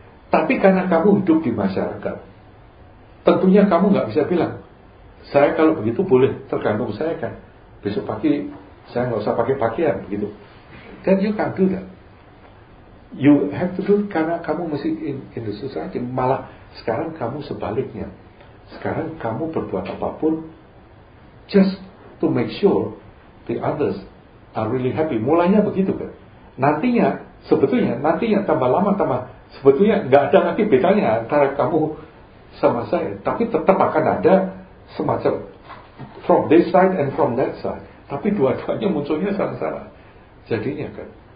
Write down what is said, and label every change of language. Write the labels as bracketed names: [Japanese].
[Indonesian] Tapi karena kamu hidup di masyarakat, tentunya kamu gak bisa bilang, saya kalau begitu boleh, tergantung saya kan. Besok pagi, saya gak usah pakai pakaian, begitu. [English] Then you can't do that. You have to do, [Indonesian] karena kamu mesti [English] in the society. [Indonesian] Malah, sekarang kamu sebaliknya. Sekarang kamu berbuat apapun, [English] just to make sure the others are really happy. [Indonesian] Mulanya begitu kan. Nantinya, sebetulnya, nantinya tambah lama tambah, sebetulnya gak ada lagi bedanya antara kamu sama saya. Tapi tetap akan ada semacam [English] from this side and from that side. [Indonesian] Tapi dua-duanya munculnya sama-sama. Jadinya kan.